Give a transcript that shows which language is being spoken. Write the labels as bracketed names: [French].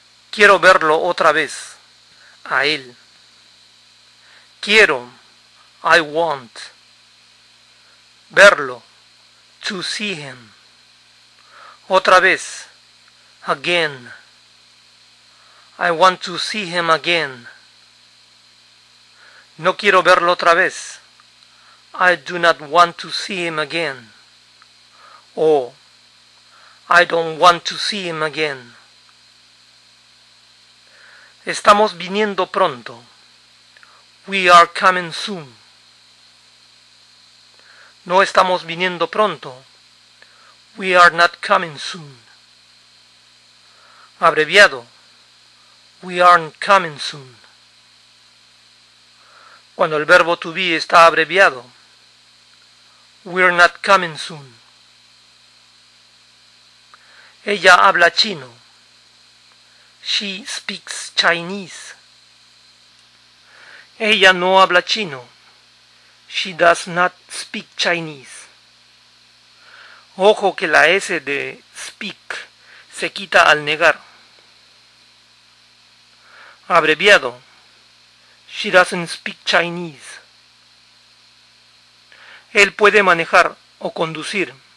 [Spanish] Quiero verlo otra vez. A él. Quiero. [English] I want. [Spanish] Verlo. [English] To see him. [Spanish] Otra vez. [English] Again. I want to see him again. [Spanish] No quiero verlo otra vez. [English] I do not want to see him again. Or, I don't want to see him again. [Spanish] Estamos viniendo pronto. [English] We are coming soon. [Spanish] No estamos viniendo pronto. [English] We are not coming soon. [Spanish] Abreviado. [English] We aren't coming soon. [Spanish] Cuando el verbo to be está abreviado. [English] We're not coming soon. [Spanish] Ella habla chino. [English] She speaks Chinese. [Spanish] Ella no habla chino. [English] She does not speak Chinese. [Spanish] Ojo que la S de speak se quita al negar. Abreviado. [English] She doesn't speak Chinese. [Spanish] Él puede manejar o conducir.